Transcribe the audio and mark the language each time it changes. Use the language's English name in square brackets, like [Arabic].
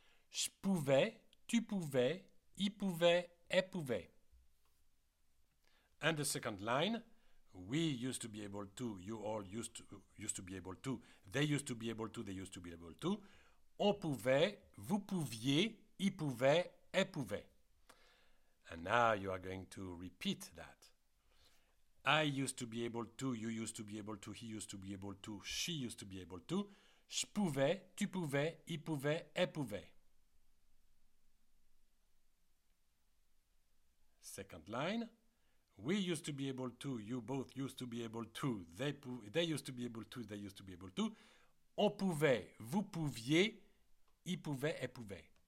[French] Je pouvais, tu pouvais, il pouvait, elle pouvait. [English] And the second line, we used to be able to, you all used to be able to, they used to be able to, they used to be able to. [French] On pouvait, vous pouviez, il pouvait, elle pouvait. [English] And now you are going to repeat that. I used to be able to, you used to be able to, he used to be able to, she used to be able to. [French] Je pouvais, tu pouvais, il pouvait, elle pouvait. [English] Second line. We used to be able to, you both used to be able to, they used to be able to, they used to be able to. [French] On pouvait, vous pouviez, il pouvait, elle pouvait.